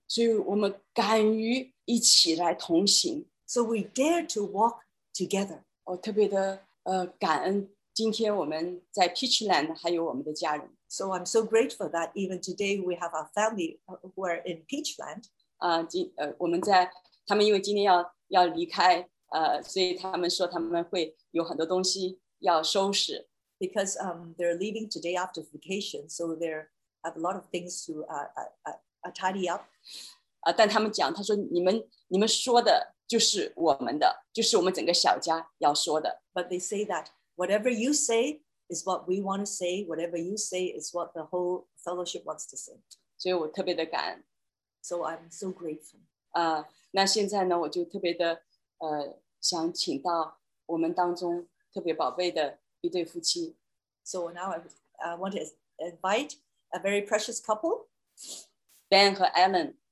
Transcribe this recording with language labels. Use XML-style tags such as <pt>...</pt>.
<zh>所以我们敢于一起来同行</zh> <en>So we dare to walk together</en> <zh>我特别的感恩今天我们在 Peachland 还有我们的家人</zh> <en>So I'm so grateful that even today we have our family who are in Peachland</en> <zh>我们在他们因为今天 要离开所以他们说他们会有很多东西要收拾</zh> <en>Because they're leaving today after vacation so they have a lot of things to tidy up</en> <zh>但他们讲他说你们说的就是我们的就是我们整个小家要说的</zh> <en>But they say thatWhatever you say is what we want to say. Whatever you say is what the whole fellowship wants to say.</en> <zh>所以我特别的感恩。</zh> <en>So I'm so grateful.</en> <zh>那现在呢，我就特别的想请到我们当中特别宝贝的一对夫妻。</zh> <en>So now I want to invite a very precious couple,</en> <zh>Ben 和 Ellen.</zh>